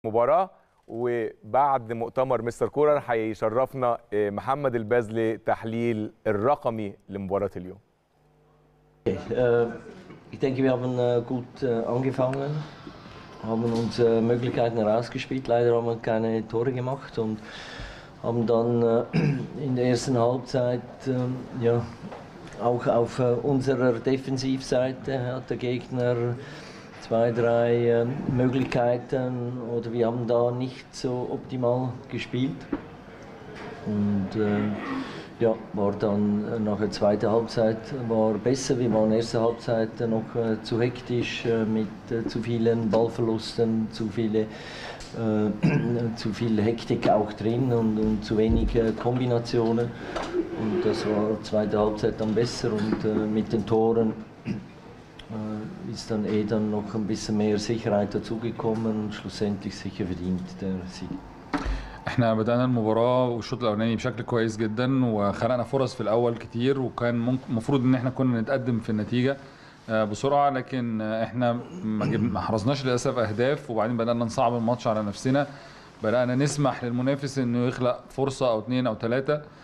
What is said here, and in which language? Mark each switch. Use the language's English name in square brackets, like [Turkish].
[Arabic] مباراه، وبعد مؤتمر مستر كوره هيشرفنا محمد البازلي تحليل الرقمي لمباراه اليوم. [German] Ich denke, wir haben gut angefangen, haben uns Möglichkeiten herausgespielt. Leider haben wir keine Tore gemacht und haben dann in der ersten Halbzeit ja auch auf unserer Defensivseite hat der Gegner zwei, drei Möglichkeiten oder wir haben da nicht so optimal gespielt. Und ja, war dann nach der zweiten Halbzeit war besser. Wir waren in der ersten Halbzeit noch zu hektisch mit zu vielen Ballverlusten, zu viel Hektik auch drin und zu wenig Kombinationen. Und das war in der zweiten Halbzeit dann besser und mit den Toren ist dann eh dann noch ein bisschen mehr Sicherheit dazugekommen und schlussendlich sicher verdient der Sieg. [Arabic] احنا بدأنا المباراة والشوط الأولاني بشكل كويس جدا وخلقنا فرص في الأول كتير وكان المفروض إن احنا كنا نتقدم في النتيجة بسرعة، لكن احنا ما حرزناش للأسف أهداف، وبعدين بدأنا نصعب الماتش على نفسنا، بدأنا نسمح للمنافس إنه يخلق فرصة أو اتنين أو تلاتة.